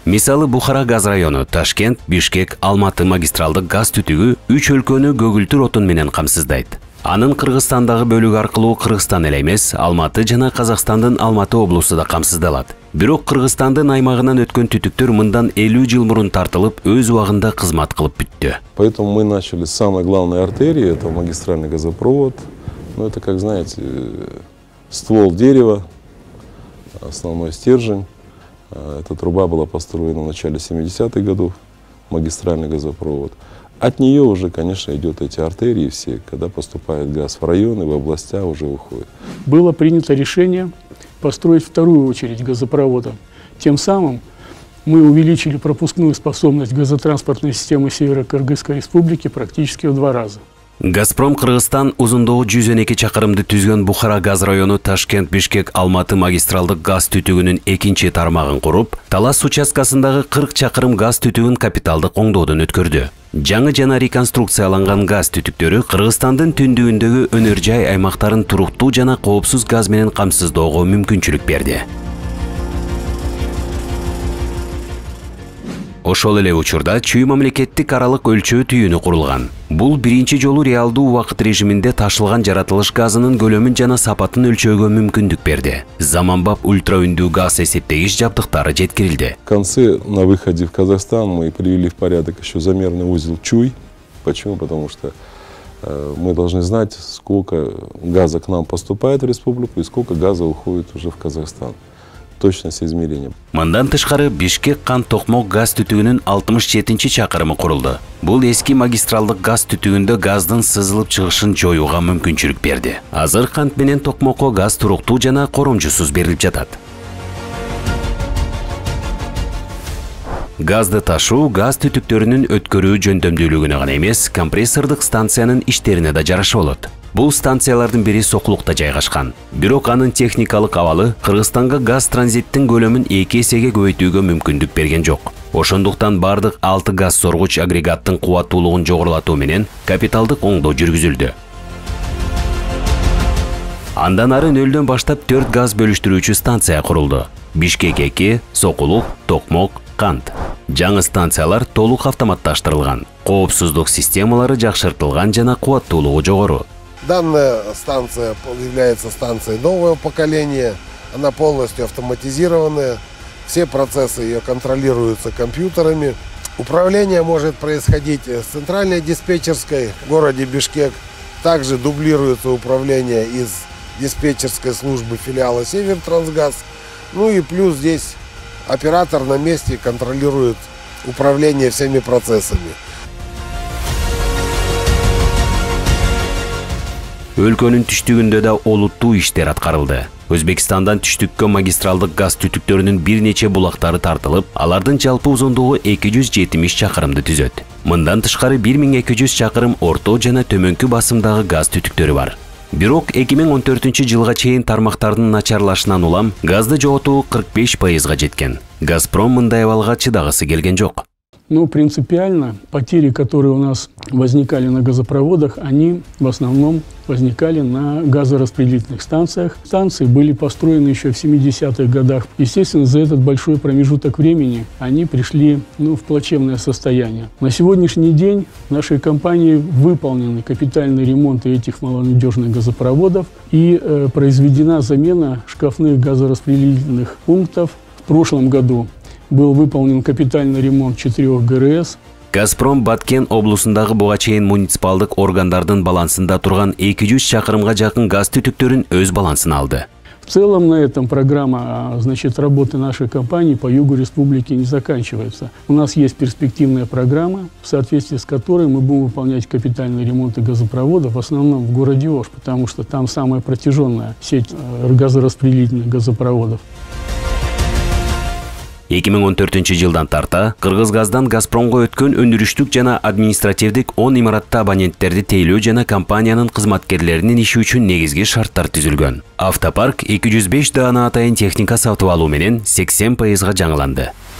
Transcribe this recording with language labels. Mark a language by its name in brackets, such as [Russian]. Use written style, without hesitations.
[Kyrgyz] Мисалы, Бухара газ району, Ташкент, Бишкек, Алматы магистралдык газ түтүгү үч өлкөнү көгүлтүр отун менен камсыздайт. Анын Кыргызстандагы бөлүгү аркылуу Кыргызстан эле эмес, Алматы жана Казакстандын Алматы облусу да камсыздалат. Бирок Кыргызстандын аймагынан өткөн түтүктөр мындан 50 жыл мурун тартылып, өз убагында кызмат кылып бүттү. [Russian] Поэтому мы начали с самой главной артерии, это магистральный газопровод. Ну это, как знаете, ствол дерева, основной стержень. Эта труба была построена в начале 70-х годов, магистральный газопровод. От нее уже, конечно, идут эти артерии все, когда поступает газ в районы, в областя уже уходит. Было принято решение построить вторую очередь газопровода. Тем самым мы увеличили пропускную способность газотранспортной системы Северо-Кыргызской республики практически в два раза. [Kyrgyz] «Газпром» Кыргызстан узундугу 112 чакырымды түзгөн Бухара газ району Ташкент, Бишкек, Алматы магистралдык газ түтүгүнүн экинчи тармагын куруп, Талас участкасындагы 40 чакырым газ түтүгүн капиталдык оңдоодон өткөрдү. Жаңы жана реконструкцияланган газ түтүктөрү Кыргызстандын түндүгүндөгү өнөр жай аймактарын туруктуу жана коопсуз газ менен камсыздоого мүмкүнчүлүк берди. Ошол эле учурда чүй мамлекеттик аралык өлчөө түйүнү курулган. Бул биринчи жолу реалдуу убакыт режиминде ташылган жаратылыш газынын көлөмүн жана сапатын өлчөөгө мүмкүндүк берди. Заманбап ультраүндүү газ эсептегич жабдыктары жеткирилди. [Russian] В конце, на выходе в Казахстан, мы привели в порядок еще замерный узел чуй. Почему? Потому что мы должны знать, сколько газа к нам поступает в республику и сколько газа уходит уже в Казахстан. Точность измерения. [Kyrgyz] Мындан тышкары Бишкек кан токмок газ түтүгүнүн 67-чи чакырымы курулду. Бул эски магистралдык газ түтүгүндө газдын сызылып чыгышын жоюуга мүмкүнчүлүк берди. Азыр кант менен токмокко газ туруктуу жана коромжусуз берилип жатат. Газды ташуу газ түтүктөрүнүн өткөрүү жөндөмдүүлүгүнө гана эмес, компрессордук станциянын иштерине да жарашып болот. Бул станциялардын бири Сокулукта жайгашкан. Бирок анын техникалык абалы Кыргызстанга газ транзиттин көлөмүн 2 эсеге көбөйтүүгө мүмкүндүк берген жок. Ошондуктан бардык 6 газ соргуч агрегаттын кубаттуулугун жогорулатуу менен капиталдык оңдоо жүргүзүлдү. Андан ары нөлдөн баштап 4 газ бөлүштүрүүчү станция курулду. Бишкек 2, Сокулук, Токмок, Кант. Жаңы станциялар толук автоматташтырылган. Коопсуздук системалары жакшыртылган жана кубаттуулугу жогору. [Russian] Данная станция является станцией нового поколения. Она полностью автоматизированная. Все процессы ее контролируются компьютерами. Управление может происходить с центральной диспетчерской в городе Бишкек. Также дублируется управление из диспетчерской службы филиала «Севертрансгаз». Ну и плюс здесь оператор на месте контролирует управление всеми процессами. [Kyrgyz] Өлкөнүн түштүгүндө да олуттуу иштер аткарылды. Өзбекстандан түштүккө магистралдык газ түтүктөрүнүн бир нече булактары тартылып, алардын жалпы узундугу 270 чакырымды түзөт. Мындан тышкары 1200 чакырым орто жана төмөнкү басымдагы газ түтүктөрү бар. Бирок 2014 жылга чейин тармактардын начарлашынан улам газды жоготуу 45% жеткен. «Газпром» мындай абалга чыдагысы келген жок. [Russian] Но принципиально потери, которые у нас возникали на газопроводах, они в основном возникали на газораспределительных станциях. Станции были построены еще в 70-х годах. Естественно, за этот большой промежуток времени они пришли в плачевное состояние. На сегодняшний день нашей компании выполнены капитальные ремонты этих малонадежных газопроводов и произведена замена шкафных газораспределительных пунктов в прошлом году. Был выполнен капитальный ремонт 4 ГРС. [Kyrgyz] Газпром Баткен облысындағы бұға чейін муниципалдық органдардың балансында тұрған 200 шақырымға жақын газ түтіктерін өз балансын алды. [Russian] В целом на этом программа, значит, работы нашей компании по югу республики не заканчивается. У нас есть перспективная программа, в соответствии с которой мы будем выполнять капитальные ремонты газопроводов, в основном в городе Ош, потому что там самая протяженная сеть газораспределительных газопроводов. [Kyrgyz] 2014 жылдан тарта, Кыргызгаздан Газпромго өткөн өндүрүштүк жана административдик 10 имаратта абоненттерди тейлөө жана компаниянын кызматкерлеринин иши үчүн негизги шарттар түзүлгөн. Автопарк 205 даана атайын техника сатып алуу менен 80% жаңыланды.